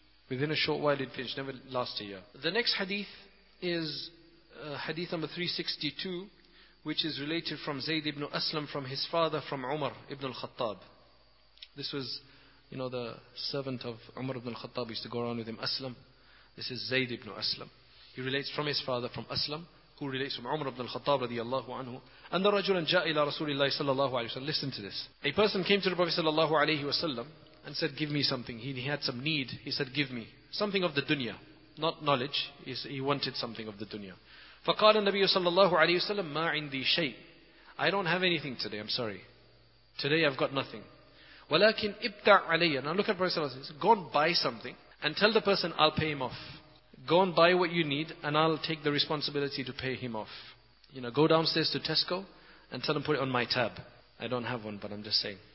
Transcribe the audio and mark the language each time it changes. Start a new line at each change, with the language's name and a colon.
English: Within a short while it finished. Never last a year. The next hadith is hadith number 362, which is related from Zayd ibn Aslam, from his father, from Umar ibn al-Khattab. This was, you know, the servant of Umar ibn al-Khattab. He used to go around with him, Aslam. This is Zayd ibn Aslam. He relates from his father, from Aslam, who relates from Umar ibn al-Khattab, radiyallahu anhu. And the
Arabic: رجل جاء إلى رسول الله صلى الله عليه وسلم.
English: Listen to this. A person came to the Prophet صلى الله عليه وسلم and said, give me something. He had some need. He said, give me something of the dunya. Not knowledge. He wanted something of the dunya.
Arabic: فقال النبي صلى الله عليه وسلم ما عندي شيء.
English: I don't have anything today. I'm sorry. Today I've got nothing.
Arabic: ولكن ابتع علي.
English: Now look at Prophet صلى الله عليه وسلم. Go and buy something and tell the person, I'll pay him off. Go and buy what you need and I'll take the responsibility to pay him off. You know, go downstairs to Tesco and tell them put it on my tab. I don't have one, but I'm just saying.